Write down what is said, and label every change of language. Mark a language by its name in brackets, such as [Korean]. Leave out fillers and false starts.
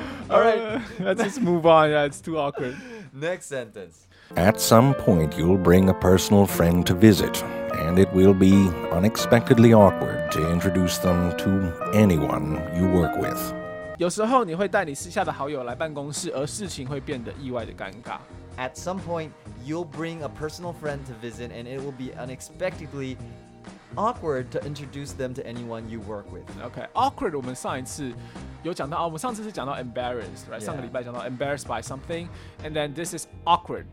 [English] All right, let's just move on. Yeah, it's too awkward. Next sentence. At some point, you'll bring a personal friend to visit, and it will be unexpectedly awkward to introduce them to anyone you work with. [Chinese] 有时候你会带你私下的好友来办公室，而事情会变得意外的尴尬。 [English] At some point, you'll bring a personal friend to visit, and it will be unexpectedly awkward to introduce them to anyone you work with. Okay, awkward. [Chinese] 我们上一次有讲到，我们上次是讲到 embarrassed, [English] right?、 Yeah. [Chinese] 上个礼拜讲到 [English] embarrassed by something, and then this is awkward.